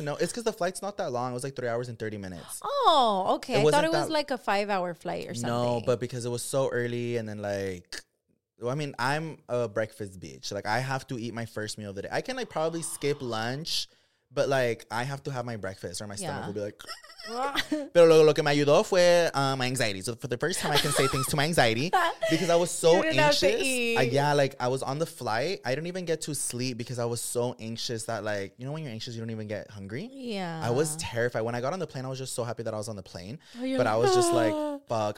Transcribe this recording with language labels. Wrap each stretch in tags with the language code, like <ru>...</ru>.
<en>No, it's because the flight's not that long. It was like 3 hours and 30 minutes. Oh, okay. I thought it was like a 5 hour flight or something. No, but because it was so early and then like, well, I mean, I'm a breakfast bitch. Like I have to eat my first meal of the day. I can like probably skip lunch, but like I have to have my breakfast or my stomach will be like.</en> <es>Pero luego lo que me ayudó fue</es> <en>my anxiety. So for the first time, I can say things to my anxiety because I was so anxious. Like I was on the flight. I didn't even get to sleep because I was so anxious that like, you know, when you're anxious, you don't even get hungry. Yeah. I was terrified. When I got on the plane, I was just so happy that I was on the plane. I was just like, fuck.</en>